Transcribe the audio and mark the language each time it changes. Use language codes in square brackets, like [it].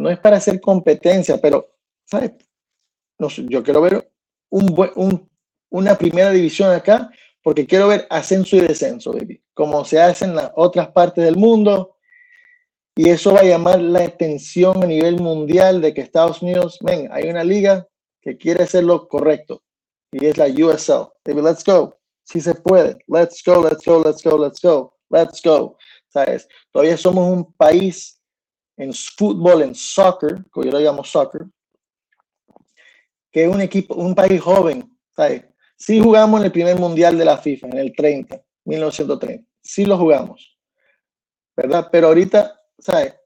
[es] No es para hacer competencia, pero, ¿sabes? No sé, yo quiero ver una primera división acá, porque quiero ver ascenso y descenso, baby, como se hace en las otras partes del mundo, y eso va a llamar la atención a nivel mundial de que Estados Unidos, men, hay una liga que quiere hacer lo correcto, y es la USL. [en] Baby, let's go. [es] Si se puede. [en] Let's go, let's go, let's go, let's go. Let's go. ¿Sabes? [es] Todavía somos un país en fútbol, en soccer, como yo lo llamo soccer, que es un equipo, un país joven, ¿sabes? Sí jugamos en el primer mundial de la FIFA, en el 1930. Sí lo jugamos, ¿verdad? Pero ahorita, ¿sabes?